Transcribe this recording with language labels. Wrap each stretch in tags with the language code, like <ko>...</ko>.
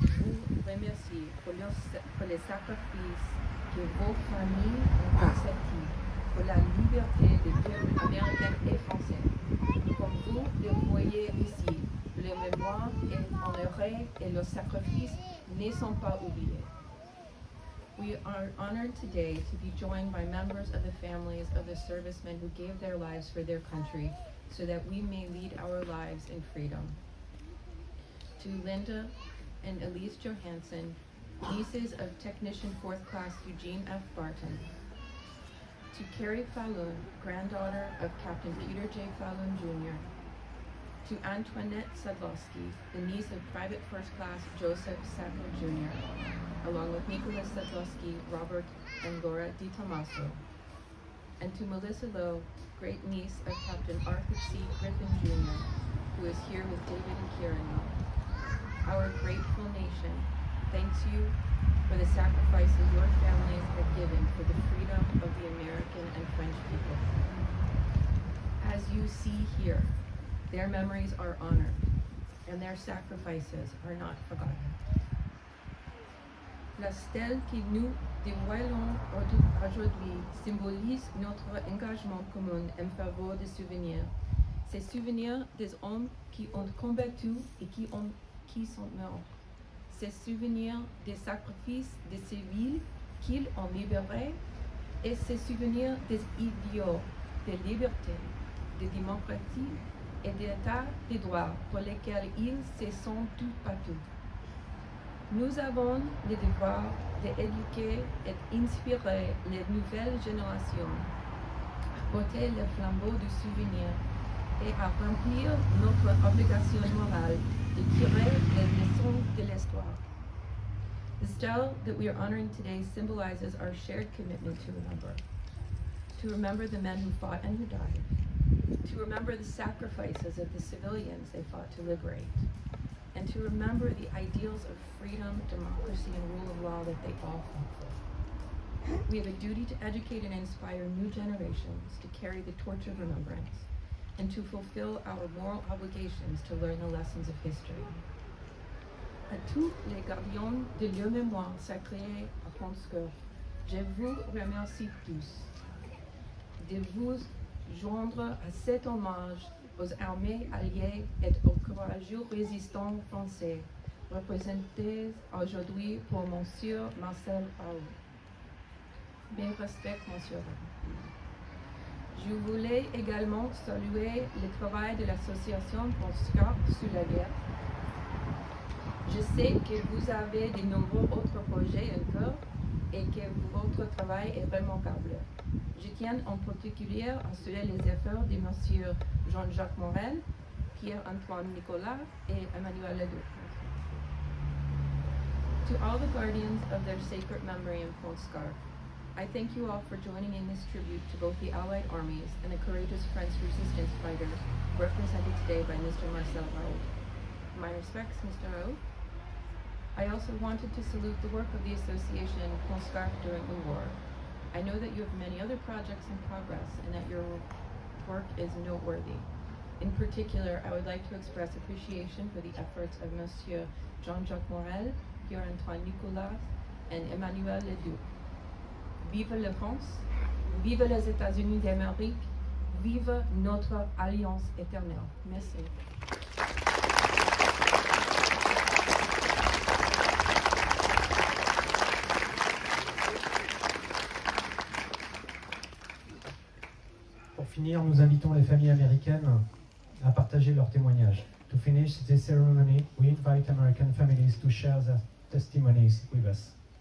<fr>vous remercier pour les sacrifices que vos familles ont consentis pour la liberté des peuples américains et français. Comme vous le voyez ici, les mémoires et honorées et leurs sacrifices ne sont pas oubliés.</fr> <en>We are honored today to be joined by members of the families of the servicemen who gave their lives for their country so that we may lead our lives in freedom. To Linda and Elise Johansson, nieces of Technician Fourth Class Eugene F. Barton. To Carrie Falloon, granddaughter of Captain Peter J. Falloon Jr. To Antoinette Sadlowski, the niece of Private First Class Joseph Sackler Jr., along with Nicholas Sadlowski, Robert, and Laura DiTommaso. And to Melissa Lowe, great niece of Captain Arthur C. Griffin Jr., who is here with David and Kieran. Our grateful nation thanks you for the sacrifices your families have given for the freedom of the American and French people. As you see here, their memories are honored and their sacrifices are not forgotten.</en> <fr>La stèle que nous dévoilons aujourd'hui symbolise notre engagement commun en faveur des souvenirs. Ces souvenirs des hommes qui ont combattu et qui sont morts. Ces souvenirs des sacrifices des civils qu'ils ont libérés et ces souvenirs des idéaux de liberté, de démocratie et d'état de droit pour lesquels ils se sont tout battus. Nous avons le devoir d'éduquer et d'inspirer les nouvelles générations à porter le flambeau du souvenir et à remplir notre obligation morale de tirer les leçons de l'histoire.</fr> <en>The stèle that we are honoring today symbolizes our shared commitment to remember the men who fought and who died, to remember the sacrifices of the civilians they fought to liberate, and to remember the ideals of freedom, democracy, and rule of law that they all fought for. We have a duty to educate and inspire new generations to carry the torch of remembrance and to fulfill our moral obligations to learn the lessons of history.</en> <fr>À tous les gardiens de leur mémoire sacrée à Pont-Scoff, je vous remercie tous de vous joindre à cet hommage aux armées alliées et aux courageux résistants français, représentés aujourd'hui par Monsieur Marcel Paul. Mes respects, Monsieur. Je voulais également saluer le travail de l'association Pont-Scoff sur la guerre. Je sais que vous avez de nombreux autres projets encore et que votre travail est remarquable. Je tiens en particulier à saluer les efforts de Monsieur Jean-Jacques Morel, Pierre-Antoine Nicolas et Emmanuel Ledoux.</fr> <en>To all the guardians of their sacred memory in Pont-Scoff, I thank you all for joining in this tribute to both the Allied armies and the courageous French resistance fighters represented today by Mr. Marcel Raoult. My respects, Mr. Raoult. I also wanted to salute the work of the association Pont-Scoff during the war. I know that you have many other projects in progress and that your work is noteworthy. In particular, I would like to express appreciation for the efforts of Monsieur Jean-Jacques Morel, Pierre-Antoine Nicolas, and Emmanuel Ledoux.</en> <fr>Vive la France, vive les États-Unis d'Amérique, vive notre alliance éternelle. Merci. Nous invitons les familles américaines à partager leur témoignage.</fr> <en>To finish the ceremony, we invite American families to share their testimonies with us.</en>